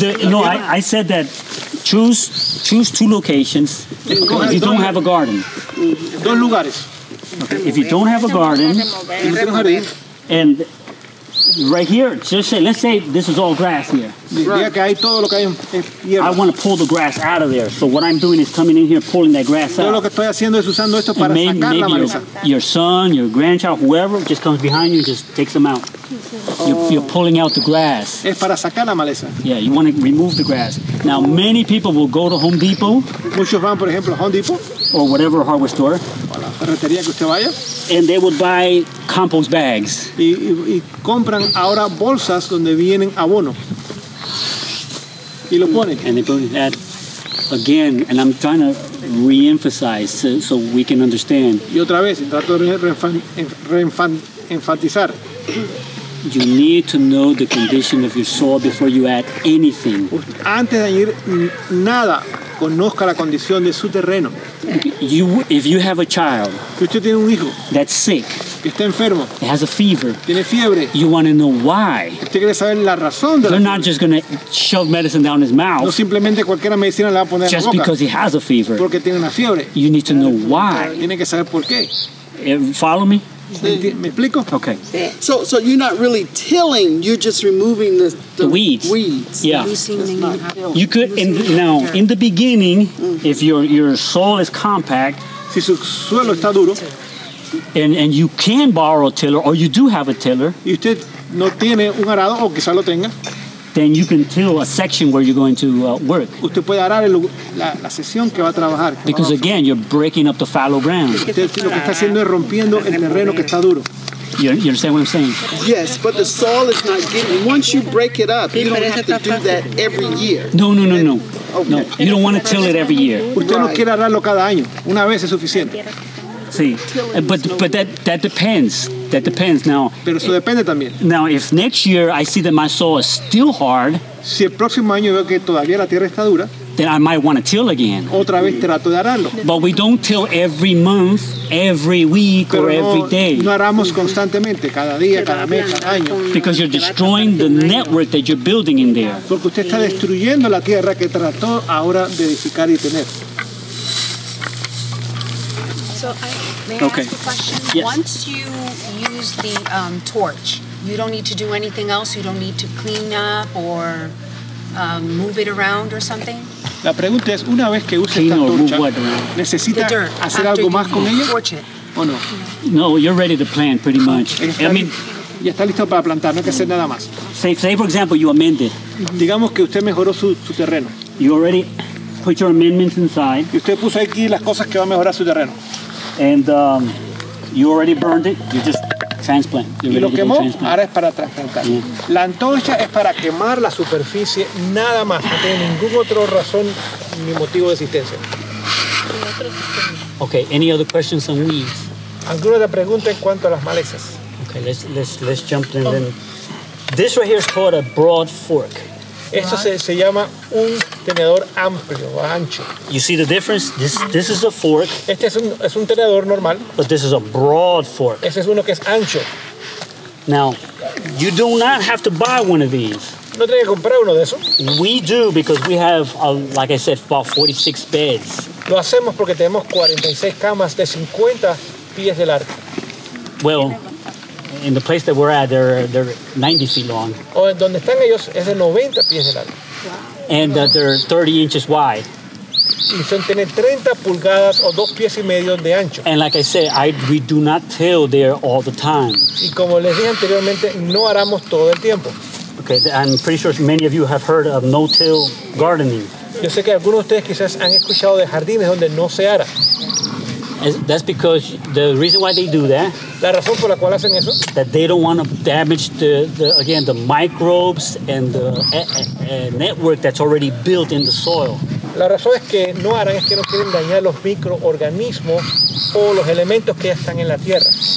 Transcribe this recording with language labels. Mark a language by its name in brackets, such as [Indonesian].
[English] No, I said that choose two locations if you don't have a garden. [Spanish] Dos lugares. [English] If you don't have a garden, and right here, just say, let's say this is all grass here. Right. I want to pull the grass out of there. So what I'm doing is coming in here, pulling that grass out. [Spanish] Lo que estoy haciendo es usando esto para sacar la maleza. [English] Your son, your grandchild, whoever just comes behind you, just takes them out. Oh. You're pulling out the grass. [Spanish] Es para sacar la maleza. [English] Yeah, you want to remove the grass. Now, many people will go to Home Depot. [Spanish] Muchos van, por ejemplo, Home Depot. [English] Or whatever hardware store. [Spanish] O la ferretería que usted vaya. [English] And they would buy compost bags. [Spanish] Y compran ahora bolsas donde vienen abono. Y lo ponen. [English] And they put that again, and I'm trying to reemphasize so we can understand. [Spanish] Y otra vez, trato de enfatizar. [English] You need to know the condition of your soil before you add anything. [Spanish] Antes de añadir nada, conozca la condición de su terreno. [English] If you have a child, [Spanish] si usted tiene un hijo, [English] that's sick, [Spanish] que está enfermo, [English] it has a fever, [Spanish] tiene fiebre, [English] you want to know why. [Spanish] Usted quiere saber la razón de [English] they're not fiebre. Just going to shove medicine down his mouth. [Spanish] No simplemente cualquiera medicina le va a poner [English] just [Spanish] en la boca. [English] Because he has a fever. [Spanish] Porque tiene una fiebre. [English] You need to know why. [Spanish] Tiene que saber por qué. [English] Follow me? [Spanish] ¿Me explico? [English] Okay. So you're not really tilling, you're just removing the weeds. Yeah. You could, now, in the beginning, if your soil is compact, [Spanish] si su suelo está duro, [English] and you can borrow a tiller, or you do have a tiller, [Spanish] y usted no tiene un arado, o quizá lo tenga, [English] then you can till a section where you're going to work. [Spanish] Usted puede arar la sesión que va a trabajar. [English] Because again, you're breaking up the fallow ground. [Spanish] Lo que está haciendo es rompiendo el terreno que está duro. [English] You understand what I'm saying? Yes, but the soil is not getting. Once you break it up, you don't have to do that every year. No. No, you don't want to till it every year. [Spanish] Usted no quiere ararlo cada año. Una vez es suficiente. [English] See, but that depends. That depends now. [Spanish] Pero eso depende también. [English] Now, if next year I see that my soil is still hard, [Spanish] si el próximo año veo que todavía la tierra está dura, [English] then I might want to till again. [Spanish] Otra vez trato de ararlo. [English] But we don't till every month, every week, [Spanish] pero [English] or every day. [Spanish] No aramos constantemente, cada día, cada mes, cada año. [English] Because you're destroying the network that you're building in there. [Spanish] Porque usted está destruyendo la tierra que trató ahora de edificar y tener. [English] So may I ask a question? Yes. Once you use the torch, you don't need to do anything else? You don't need to clean up or move it around or something? [Spanish] La pregunta es, una vez que use esta torcha, ¿necesita hacer algo más con ella? [English] Torch it. [Spanish] ¿O no? [English] No, you're ready to plant, pretty much. [Spanish] Ya está listo para plantar, no hay que hacer nada más. [English] Say, for example, you amended. [Spanish] Digamos que usted mejoró su terreno. [English] You already put your amendments inside. [Spanish] Y usted puso aquí las cosas que va a mejorar su terreno. [English] And you already burned it. You just transplant. [Spanish] Y lo quemó, ahora es para trasplantar. La antorcha es para quemar la superficie, nada más. No tiene ningún otro razón ni motivo de existencia. [English] Okay, any other questions on weeds? [Spanish] ¿Alguna otra pregunta en cuanto a las malezas? [English] Okay, let's jump in then. This right here is called a broad fork. [Spanish] Esto se llama un tenedor amplio, ancho. [English] You see the difference? This is a fork. [Spanish] Este es un tenedor normal. [English] But this is a broad fork. [Spanish] Este es uno que es ancho. [English] Now, you do not have to buy one of these. [Spanish] No tiene que comprar uno de esos. [English] We do because we have, like I said, about 46 beds. [Spanish] Lo hacemos porque tenemos 46 camas de 50 pies de largo. [English] Well, in the place that we're at, they're 90 feet long. [Spanish] O donde están ellos es de 90 pies de largo. [English] And they're 30 inches wide. [Spanish] Y son tener 30 pulgadas o 2 pies y medio de ancho. [English] And like I said, we do not till there all the time. [Spanish] Y como les dije anteriormente, no aramos todo el tiempo. [English] Okay, I'm pretty sure many of you have heard of no-till gardening. [Spanish] Yo sé que algunos de ustedes quizás han escuchado de jardines donde no se ara. [English] That's because the reason why they do that. [Spanish] La razón por la cual hacen eso. [English] That they don't want to damage the microbes and the network that's already built in the soil. [Spanish] La razón es que no aran es que no quieren dañar los microorganismos o los elementos que ya están en la tierra.